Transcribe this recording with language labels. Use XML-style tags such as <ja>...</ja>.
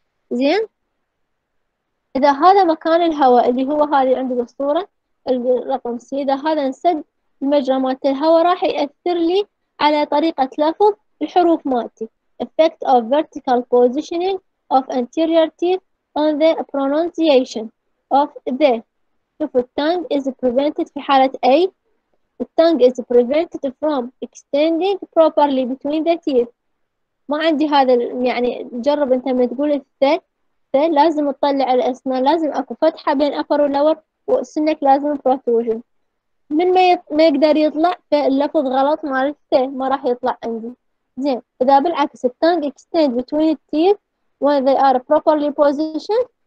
<ar>زين اذا هذا مكان الهواء اللي هو هذه عندي بالصورة الرقم سي، اذا هذا انسد المجرى مالت الهواء راح يأثر لي على طريقة لفظ الحروف مالتي.</ar> <en>effect of vertical positioning of anterior teeth on the pronunciation of the.</en> <ar>شوف الـ</ar> <en>tongue is prevented</en> <ar>في حالة A.</ar> <en>الـ tongue is prevented from extending properly between the teeth.</en> <ar>ما عندي هذا يعني جرب انت ما تقول الثي لازم تطلع الأسنان لازم اكو فتحة بين upper ولور وسنك لازم protrusion. من ما يقدر يطلع فاللفظ غلط مال الثي ما راح يطلع عندي. زين إذا بالعكس الـ</ar> <en>tongue extend between the teeth when they are properly positioned.</en>